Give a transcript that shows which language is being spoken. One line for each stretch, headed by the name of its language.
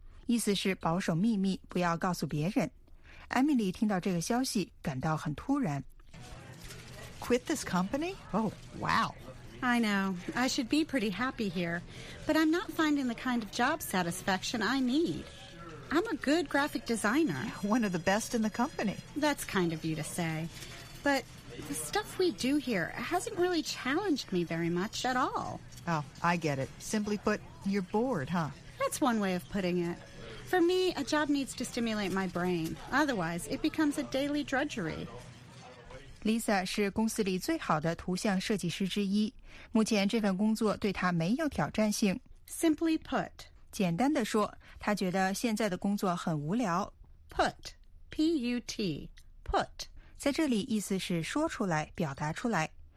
Chinese: 意思是保守秘密，不要告诉别人。Emily 听到这个消息，感到很突然。
English: Quit this company? Oh, wow. I know. I should be pretty happy here. But I'm not finding the kind of job satisfaction I need. I'm a good graphic designer. One of the best in the company. That's kind of you to say. But the stuff we do here hasn't really challenged me very much at all. Oh, I get it. Simply put, you're bored, huh? That's one way of putting it. For me, a job needs to stimulate my brain. Otherwise, it becomes a daily drudgery.
Chinese: Lisa 是公司里最好的图像设计师之一。目前这份工作对她没有挑战性。
English: Simply put.
Chinese: 简单地说，她觉得现在的工作很无聊。
English: Put. P-U-T. Put.
Chinese: 在这里意思是说出来，表达出来。